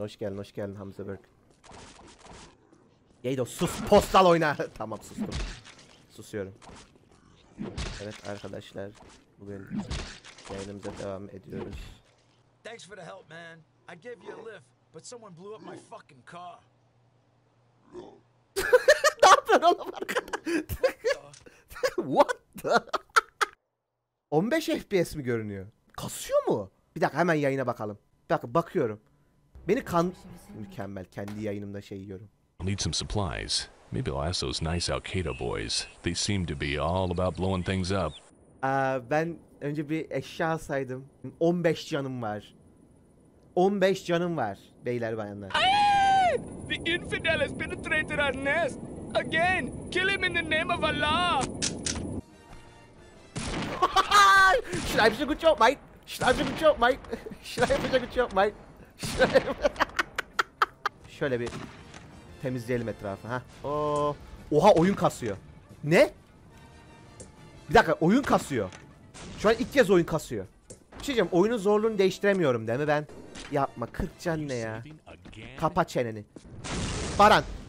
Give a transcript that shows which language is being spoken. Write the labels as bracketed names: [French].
[Turkish] Hoş geldin, hoş geldin Hamza Berk. Yeydo, sus, postal oyna. Tamam, sustum. Susuyorum. Evet arkadaşlar, bugün yayınımıza devam ediyoruz. [English] Thanks for the help, man. I gave you a lift, but someone blew up my fucking car. [Turkish] Ne yapıyorsun oğlum arkadaşlar? [English] What the? [Turkish] 15 FPS mi görünüyor? Kasıyor mu? Bir dakika, hemen yayına bakalım. Bir dakika, bakıyorum. Beni kan... Mükemmel, kendi yayınımda şey yiyorum. [English] I'll need some supplies. Maybe I'll ask those nice Al-Qaeda boys. They seem to be all about blowing things up. [Turkish] Ben önce bir eşya alsaydım. 15 canım var. 15 canım var, beyler bayanlar. [English] The infidel has penetrated our nest. Again, kill him in the name of Allah. Should I have a good job, mate? Should I have a good job, mate? Should I have a good job, mate? [Turkish] Şöyle bir temizleyelim etrafı ha. Oha, oyun kasıyor. Ne? Bir dakika, oyun kasıyor. Şu an ilk kez oyun kasıyor. Bir şey diyeceğim, oyunun zorluğunu değiştiremiyorum değil mi ben? Yapma, 40 can ne ya? Kapa çeneni. Baran.